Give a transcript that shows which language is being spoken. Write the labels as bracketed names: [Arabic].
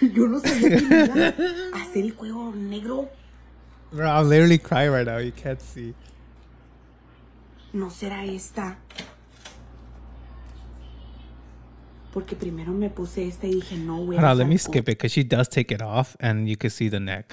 [Spanish] Yo no sabía que me iba a hacer el cuello negro. [English] Bro, I'm literally crying right now. You can't see. [Spanish] No será esta. Porque primero me puse esta y dije, no, güey. [English] Hold on, let me skip it, because she does take it off, and you can see the neck.